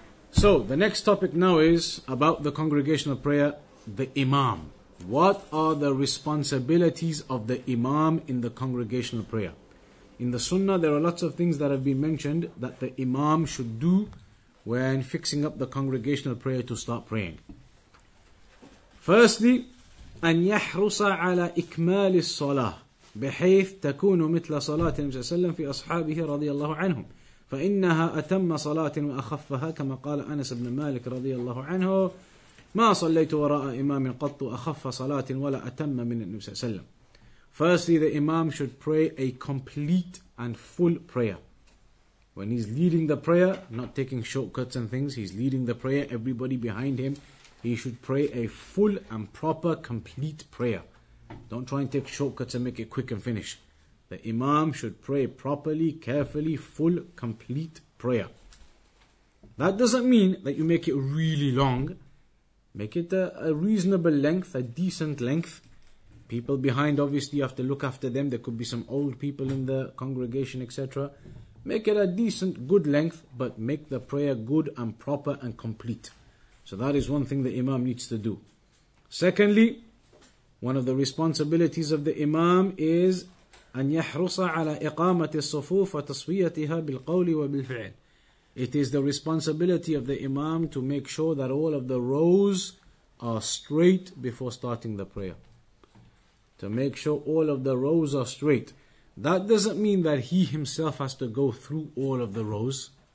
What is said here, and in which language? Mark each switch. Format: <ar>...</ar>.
<en>So the next topic now is about the congregational prayer, the imam. What are the responsibilities of the imam in the congregational prayer? In the sunnah, there are lots of things that have been mentioned that the imam should do when fixing up the congregational prayer to start praying.</en> <ar>Firstly, أن يحرص على إكمال الصلاة بحيث تكون مثل صلاة النبي صلى الله عليه وسلم في أصحابه رضي الله عنهم فإنها أتم صلاة وأخفها كما قال أنس بن مالك رضي الله عنه ما صليت وراء إمام قط أخف صلاة ولا أتم من النبي صلى الله عليه وسلم.</ar> <en>Firstly, the imam should pray a complete and full prayer. When he's leading the prayer, not taking shortcuts and things, he's leading the prayer, everybody behind him, he should pray a full and proper, complete prayer. Don't try and take shortcuts and make it quick and finish. The imam should pray properly, carefully, full, complete prayer. That doesn't mean that you make it really long. Make it a reasonable length, a decent length. People behind, obviously, you have to look after them. There could be some old people in the congregation, etc. Make it a decent, good length, but make the prayer good and proper and complete. So that is one thing the imam needs to do. Secondly, one of the responsibilities of the imam is</en> <ar>أن يحرص على إقامة الصفوف وتصفيتها بالقول وبالفعل.</ar> <en>It is the responsibility of the imam to make sure that all of the rows are straight before starting the prayer. To make sure all of the rows are straight. That doesn't mean that he himself has to go through all of the rows.</en>